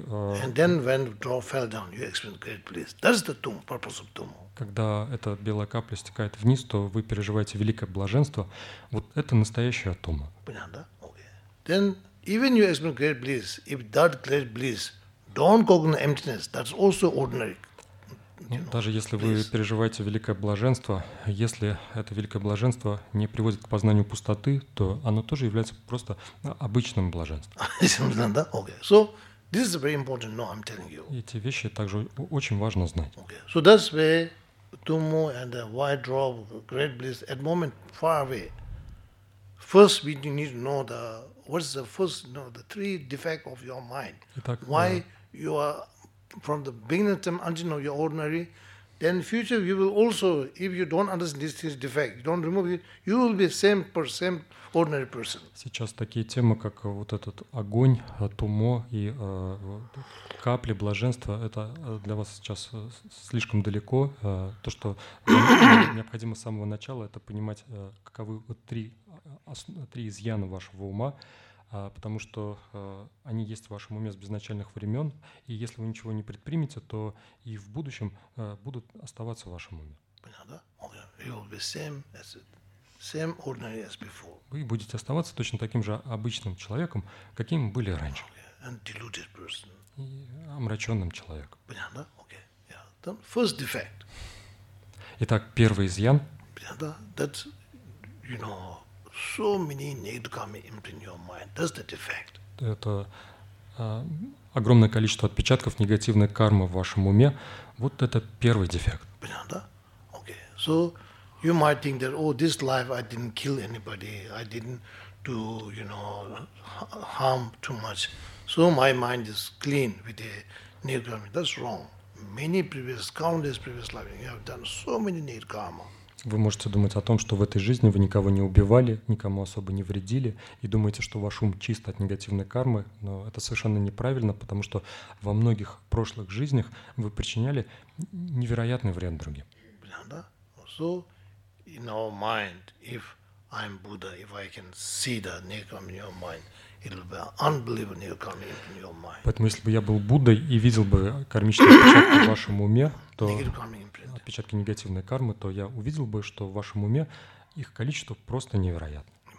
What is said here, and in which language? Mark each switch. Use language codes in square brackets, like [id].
[en] And then when the drop fell down, you experience great bliss. That's the tumo, purpose of tumo. [ru] Когда эта белая капля стекает вниз, то вы переживаете великое блаженство. Вот это настоящая тума. Понятно, да? [en] Then even you experience great bliss. If that great bliss don't cognize emptiness, that's also ordinary. [ru] Даже если вы переживаете великое блаженство, если это великое блаженство не приводит к познанию пустоты, то оно тоже является просто обычным блаженством. [en] Да? Okay. So this is very important. No, I'm telling you. [ru] Эти вещи также очень важно знать. [en] Okay. So that's where tumo and the white drop, great bliss, at moment far away. First, we need to know the what is the first, you know, the three defect of your mind. [ru] Итак, [en] why you are from the beginning time until now you're ordinary, then future you will also, if you don't understand this defect, you don't remove it, you will be same person, same ordinary person. [ru] Сейчас такие темы, как вот этот огонь, тумо и капли блаженства, это для вас сейчас слишком далеко. То, что необходимо с самого начала, это понимать, каковы вот три изъяна вашего ума, потому что они есть в вашем уме с безначальных времен, и если вы ничего не предпримете, то и в будущем будут оставаться в вашем уме. Понятно, да? Okay. [en] You will be same as it, same ordinary as before. [ru] Вы будете оставаться точно таким же обычным человеком, каким были раньше. [en] Okay. And deluded person. [ru] И омраченным человеком. Понятно, да? [en] Okay. Yeah. Then first defect. [ru] Итак, первый изъян. Понятно, да? [en] That's, you know, so many nidgami imprint your mind. That's the defect. [ru] Это огромное количество отпечатков негативной кармы в вашем уме. Вот это первый дефект. Понятно, да? Okay. [en] So you might think that, oh, this life I didn't kill anybody, I didn't do, you know, harm too much. So my mind is clean with the nidgami. That's wrong. Many previous, countless previous lives, you have done so many nidgama. [ru] Вы можете думать о том, что в этой жизни вы никого не убивали, никому особо не вредили, и думаете, что ваш ум чист от негативной кармы, но это совершенно неправильно, потому что во многих прошлых жизнях вы причиняли невероятный вред другим. Да? [en] So, in our mind, if I'm Buddha, if I can see the nekram in your mind, it'll be unbelievable nekram in your mind. [ru] Поэтому если бы я был Буддой и видел бы кармические отпечатки в вашем уме, то отпечатки негативной кармы, то я увидел бы, что в вашем уме их количество просто невероятно.